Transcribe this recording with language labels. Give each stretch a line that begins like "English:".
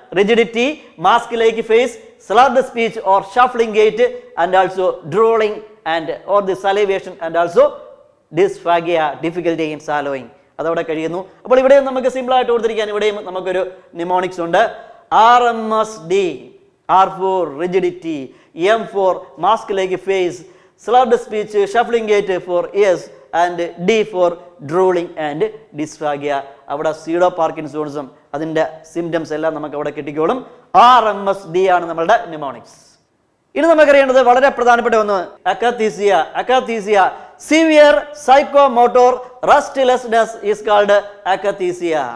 English: Rigidity, mask like face, slurred speech or shuffling gait, and also drooling and or the salivation, and also dysphagia, difficulty in swallowing.
Malayalam: അതവിടെ കഴിയുന്നു. അപ്പോൾ ഇവിടെയും നമുക്ക് സിമ്പിളായിട്ട് ഓർത്തിരിക്കാൻ ഇവിടെയും നമുക്കൊരു നിമോണിക്സ് ഉണ്ട്.
English: RMSD, R for rigidity, M for mask like face, slurred speech, shuffling gait for ears, and D for drooling and dysphagia.
Malayalam: അവിടെ സീഡോ പാർക്കിൻസോണിസം അതിൻ്റെ സിംറ്റംസ് എല്ലാം നമുക്ക് അവിടെ കിട്ടിക്കോളും. RMSD ആണ് നമ്മളുടെ നിമോണിക്സ്. ഇനി നമുക്കറിയേണ്ടത് വളരെ പ്രധാനപ്പെട്ട ഒന്ന്, അക്കാത്തീസിയ.
English: Severe psychomotor restlessness is called akathisia.